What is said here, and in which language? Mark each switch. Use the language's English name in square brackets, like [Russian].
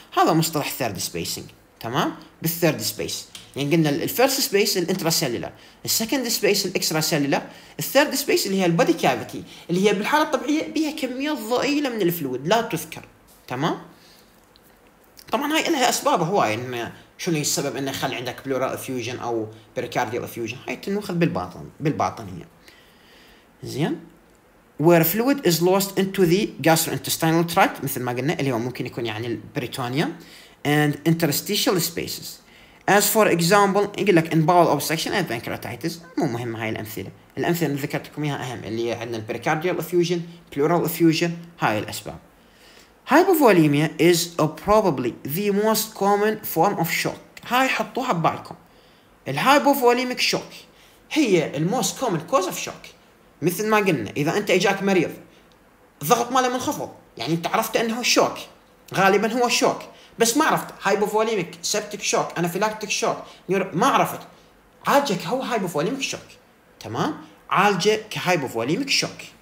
[Arabic] هذا مصطلح ثيرد سبيسنج تمام. بالثيرد سبيس يعني قلنا الفيرست سبيس الانتراسيلولار، السكند سبيس الاكستراسيلولار، الثيرد سبيس اللي هي البودي كافيتي اللي هي بالحاله الطبيعيه بيها كميات ضئيله من الفلويد لا تذكر تمام. طبعا هاي لها اسباب هواي، ان شنو السبب انه يخلي عندك بلورال افيوجن او بيريكارديال افيوجن، هاي تنوخذ بالباطن هي زين. [English] Where fluid is lost into the gastrointestinal tract [Arabic] مثل ما قلنا اللي هو ممكن يكون يعني البريتونيوم [English] and interstitial spaces. As for example [Arabic] يقول لك [English] in bowel obstruction and pancreatitis، [Arabic] مو مهم هاي الأمثلة، الأمثلة اللي ذكرت لكم إياها أهم اللي هي عندنا [English] pericardial effusion, pleural effusion، [Arabic] هاي الأسباب. [English] Hypovolemia is probably the most common form of shock، [Arabic] هاي حطوها ببالكم. الhypovolemic shock هي [English] الموست common cause of shock, [Arabic] مثل ما قلنا اذا انت اجاك مريض ضغط ماله منخفض يعني انت عرفت انه شوك، غالبا هو شوك بس ما عرفت هايبوفوليميك سبتيك شوك انافيلاكتيك شوك ما عرفت، عالجه كهو هايبوفوليميك شوك تمام، عالجه كهايبوفوليميك شوك.